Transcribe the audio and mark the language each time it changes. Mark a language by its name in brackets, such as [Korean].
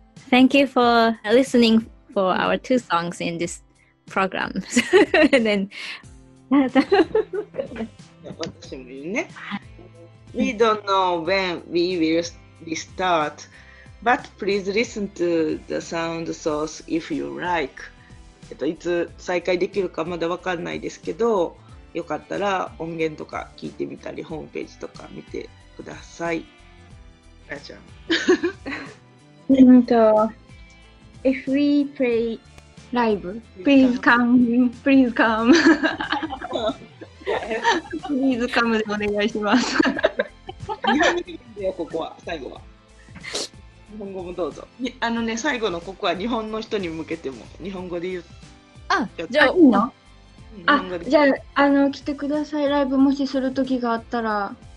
[English] Thank you for listening for our two songs in this program. then, [Japanese] 私も言うね。 [English] We don't know when we will restart, but please listen to the sound source if you like. [Japanese] いつ再開できるかまだ分かんないですけど、よかったら音源とか聞いてみたり、ホームページとか見てください。あちゃん。 [English] If we play live, please come, please come. please come [Japanese] でお願いします。日本語でここは、最後は。日本語もどうぞ。あのね、最後のここは日本の人に向けても、日本語で言う。あ、じゃあいいの？あ、じゃあ、あの、来てください、ライブもしする時があったら